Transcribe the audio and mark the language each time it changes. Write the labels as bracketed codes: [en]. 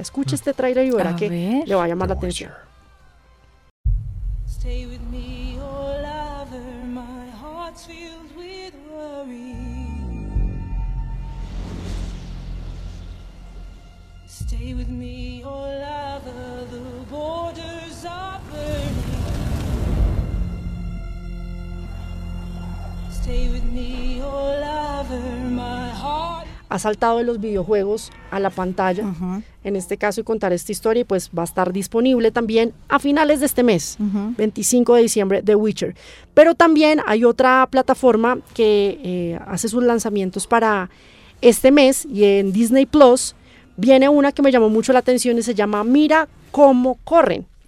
[es] Escuche este tráiler y verá que le va a llamar la atención. [en] Stay with me, oh lover, my heart's filled with worry. Stay with me, oh lover, the borders are burning. Stay with me, oh lover, my heart. [es] Ha saltado de los videojuegos a la pantalla, en este caso, y contar esta historia, y pues va a estar disponible también a finales de este mes, 25 de diciembre, The Witcher. Pero también hay otra plataforma que hace sus lanzamientos para este mes, y en Disney Plus viene una que me llamó mucho la atención y se llama Mira Cómo Corren.